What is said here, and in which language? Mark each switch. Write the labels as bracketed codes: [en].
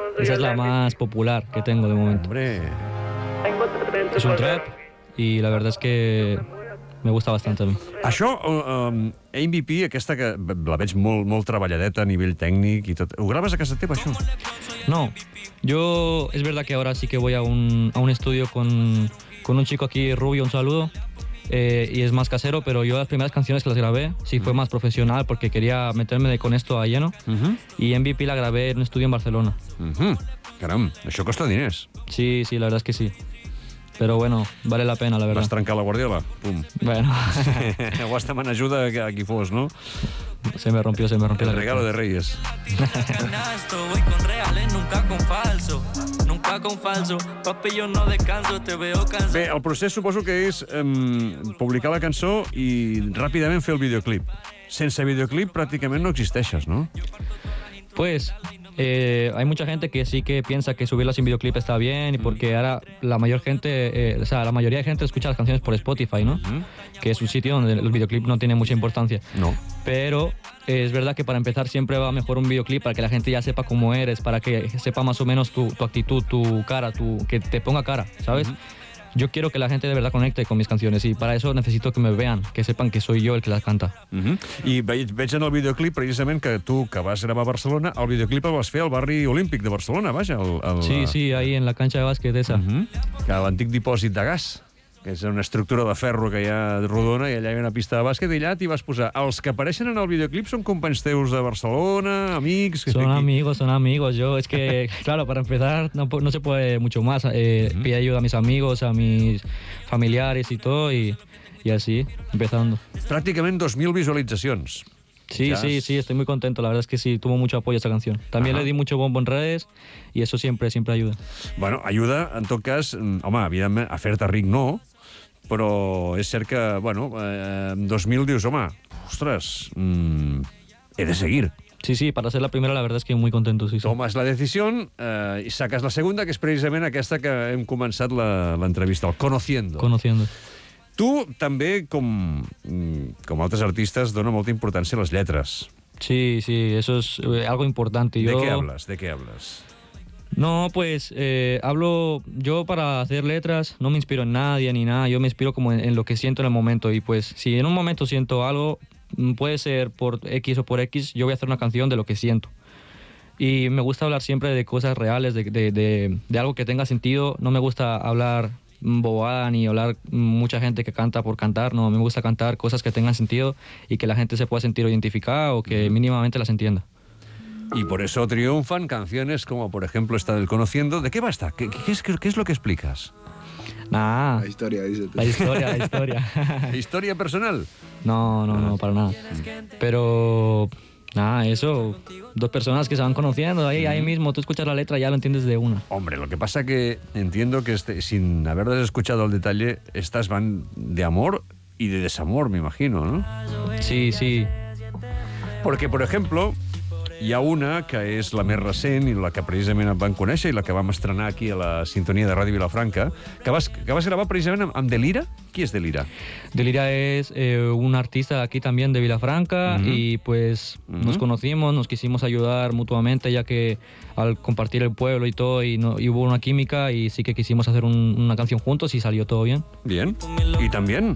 [es] Esa es la más popular que tengo de momento. Hombre. Es un trap y la verdad es que me gusta bastante a mí. [ca] Això, MVP, aquesta que la veig molt, molt treballadeta a nivell tècnic i tot. Ho graves a casa teva, això? No. [es] Yo, es verdad que ahora sí que voy a un estudio con un chico aquí, Rubio, un saludo, y es más casero, pero yo las primeras canciones que las grabé sí fue más profesional, porque quería meterme con esto a lleno, y MVP la grabé en un estudio en Barcelona. [ca] Caram, això costa diners. [es] Sí, la verdad es que sí. Però, bueno, vale la pena, la verdad. [ca] Vas trencar la guardiola? Pum. Bueno. Ho vas demanar ajuda a qui fos, no? [es] Se me rompió el regalo de Reyes. Canasto, voy con reales, nunca con falso. Nunca con falso. Papi, yo no descanso, te veo cansado. [ca] Bé, el procés suposo que és publicar la cançó i ràpidament fer el videoclip. Sense videoclip pràcticament no existeixes, no? [es] Pues... hay mucha gente que sí que piensa que subirla sin videoclip está bien, y porque ahora la mayoría de gente escucha las canciones por Spotify, ¿no? Que es un sitio donde el videoclip no tiene mucha importancia. No. Pero es verdad que para empezar siempre va mejor un videoclip, para que la gente ya sepa cómo eres, para que sepa más o menos tu actitud, tu cara, que te ponga cara, ¿sabes? Yo quiero que la gente de verdad conecte con mis canciones, y para eso necesito que me vean, que sepan que soy yo el que las canta. [ca] I veig en el videoclip precisament que tu, que vas gravar a Barcelona, el videoclip el vas fer al barri olímpic de Barcelona, vaja. [es] Sí, ahí en la cancha de bàsquet esa. [ca] A l'antic dipòsit de gas, que és una estructura de ferro que hi ha rodona, i allà hi ha una pista de bàsquet, i allà t'hi vas posar. Els que apareixen en el videoclip són companys teus de Barcelona, amics... [es] Són amigos. Yo, es que, claro, para empezar, no se puede mucho más. Pide ayuda a mis amigos, a mis familiares y todo, y así, empezando. [ca] Pràcticament 2.000 visualizacions. [es] Sí, estoy muy contento. La verdad es que sí, tuvo mucho apoyo esa canción. También le di mucho bombo en redes, y eso siempre ayuda. [ca] Bueno, ayuda, en tot cas, home, evidentment, a fer-te ric no, però és cert que, bueno, 2.000 dius, home, ostres, he de seguir. [es] Sí, para ser la primera, la verdad es que muy contento, sí. Tomas la decisión y sacas la segunda, que es [ca] precisament aquesta que hem començat l'entrevista, [es] el Conociendo. Conociendo. [ca] Tu també, com altres artistes, dona molta importància a les lletres. [es] Sí, eso es algo importante. ¿De qué hablas? No, pues hablo... Yo para hacer letras no me inspiro en nadie ni nada. Yo me inspiro como en lo que siento en el momento. Y pues si en un momento siento algo, puede ser por X o por X, yo voy a hacer una canción de lo que siento. Y me gusta hablar siempre de cosas reales, de algo que tenga sentido. No me gusta hablar... bobada ni hablar mucha gente que canta por cantar, no, a mí me gusta cantar cosas que tengan sentido y que la gente se pueda sentir identificada o que mínimamente las entienda. Y por eso triunfan canciones como, por ejemplo, esta del Conociendo. ¿De qué va esta? ¿Qué es lo que explicas? Nada. La historia. ¿Historia personal? No, para nada. Pero... nada, eso, dos personas que se van conociendo ahí mismo, tú escuchas la letra y ya lo entiendes de una. Hombre, lo que pasa que entiendo que sin haberlas escuchado al detalle, estas van de amor y de desamor, me imagino, ¿no? Sí. Porque, por ejemplo, [ca] hi ha una que és la més recent i la que precisament et van conèixer i la que vam estrenar aquí a la sintonia de Ràdio Vilafranca, que vas gravar precisament amb Delira. Qui és Delira? Delira és un artista aquí també de Vilafranca, i [es] pues nos conocimos, nos quisimos ayudar mutuamente, ya que al compartir el pueblo y todo, y hubo una química, y sí que quisimos hacer una canción juntos y salió todo bien. Bien, y también.